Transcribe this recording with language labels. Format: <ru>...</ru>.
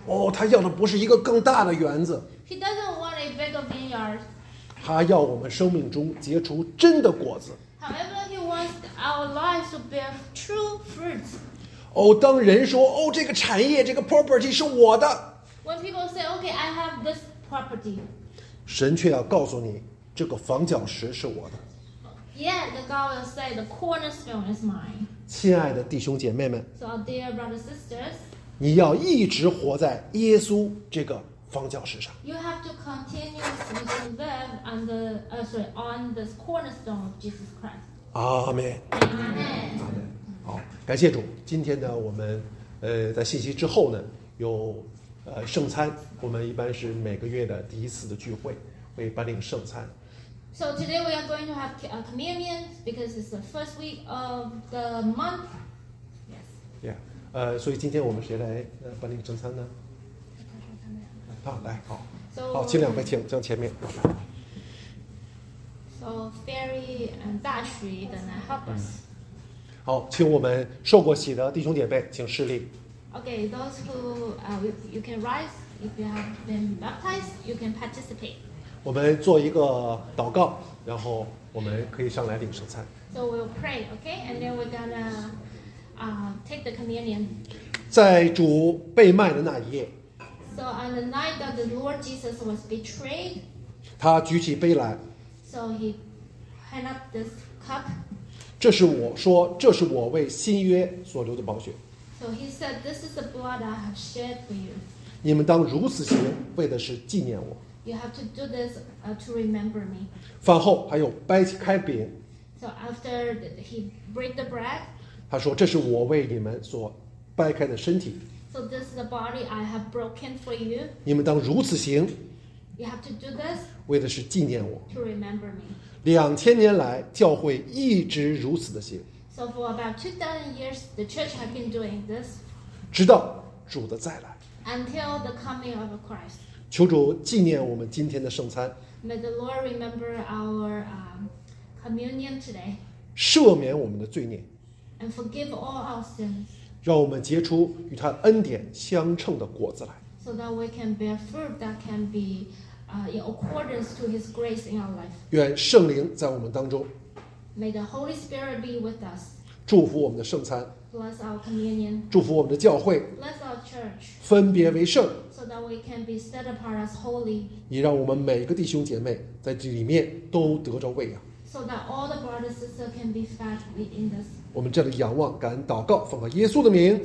<zh>哦，他要的不是一个更大的园子。</zh> <en>He doesn't want a bigger vineyard.</en> <zh>他要我们生命中结出真的果子。</zh> <en>However, he wants our lives to bear true fruits.</en> <zh>哦，当人说哦，这个产业，这个 property 是我的。</zh> <en>When people say, "Okay, I have this property,"</en> <zh>神却要告诉你，这个房角石是我的。</zh> <en>Yeah, the God will say, "The cornerstone is mine."</en> <zh>亲爱的弟兄姐妹们</zh> <en>，So our dear brothers and sisters,</en> <zh>你要一直活在耶稣这个房角石上。</zh> <en>You have to continue to live on this cornerstone of Jesus Christ. Amen. Amen.</en> <zh>好，感谢主。今天呢，我们在信息之后呢，有圣餐。我们一般是每个月的第一次的聚会，会颁领圣餐。</zh> <en>So today we are going to have a communion because it's the first week of the month. Yes. Yeah.</en> <zh>所以今天我们谁来颁领圣餐呢？来，好，好，请两位请向前面。</zh> <en>So, Fairy and Dashi, then help us.</en> <zh>好，请我们受过洗的弟兄姐妹请示例。</zh> <en>Okay, those who you can rise if you have been baptized, you can participate.</en> <zh>我们做一个祷告，然后我们可以上来领圣餐。</zh> <en>So we'll pray, okay, and then we're gonna take the communion.</en> <zh>在主被卖的那一夜。</zh> <en>So on the night that the Lord Jesus was betrayed,</en> <zh>他举起杯来。</zh> <en>So he held up this cup.</en> <zh>这是我说，这是我为新约所流的宝血。</zh> <en>So he said, "This is the blood I have shed for you."</en> <zh>你们当如此行，为的是纪念我。</zh> <en>You have to do this to remember me.</en> <zh>饭后还有掰开饼。</zh> <en>So after he break the bread,</en> <zh>他说，这是我为你们所掰开的身体。</zh> <en>So this is the body I have broken for you.</en> <zh>你们当如此行。</zh> <en>You have to do this.</en> <zh>为的是纪念我。</zh> <en>To remember me.</en> <zh>2000年来，教会一直如此的行。</zh> <en>So for about 2000 years, the church has been doing this.</en> <zh>直到主的再来。</zh> <en>Until the coming of Christ.</en> <zh>求主纪念我们今天的圣餐。</zh> <en>May the Lord remember our communion today.</en> <zh>赦免我们的罪孽。</zh> <en>And forgive all our sins.</en> <zh>让我们结出与他恩典相称的果子来。</zh> <en>So that we can bear fruit that can be in accordance to his grace in our life.</en> <zh>愿圣灵在我们当中。</zh> <en>May the Holy Spirit be with us.</en> <zh>祝福我们的圣餐。</zh> <en>Bless our communion.</en> <zh>祝福我们的教会。</zh> <en>Bless our church.</en> <zh>分别为圣。</zh> <en>So that we can be set apart as holy.</en> <zh>你让我们每个弟兄姐妹在这里面都得着喂养。</zh> <en>So that all the brothers and sisters can be fed within this.</en> <zh>我们这里仰望感恩祷告奉靠耶稣的名。</zh>